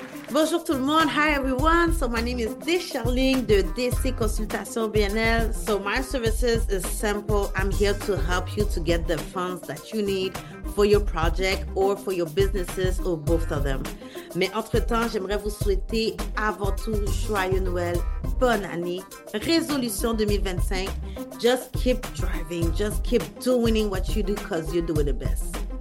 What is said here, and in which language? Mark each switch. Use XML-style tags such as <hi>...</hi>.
<fr>Bonjour tout le monde.</fr> <en>Hi everyone. So my name is Descharling de DC Consultation BNL. So my services is simple. I'm here to help you to get the funds that you need for your project or for your businesses or both of them.</en> <fr>Mais entre-temps, j'aimerais vous souhaiter avant tout joyeux Noël, bonne année, résolution 2025.</fr> <en>Just keep driving. Just keep doing what you do because you're doing the best.</en>